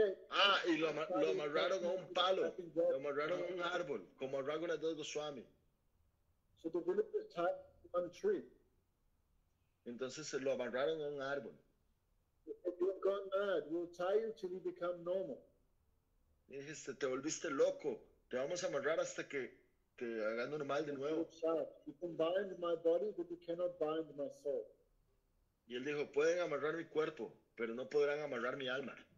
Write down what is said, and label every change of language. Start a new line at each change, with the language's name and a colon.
Spanish: Ah, y lo amarraron a un palo, lo amarraron a un árbol, como a Raghunath Das Goswami.
English: So the village was tied to one tree.
Spanish: Entonces lo amarraron a un árbol.
English: If you've gone mad, we'll tie you till you become normal.
Spanish: Y dijiste, te volviste loco, te vamos a amarrar hasta que te haga normal de nuevo.
English: You can bind my body, but you cannot bind my soul.
Spanish: Y él dijo, pueden amarrar mi cuerpo, pero no podrán amarrar mi alma.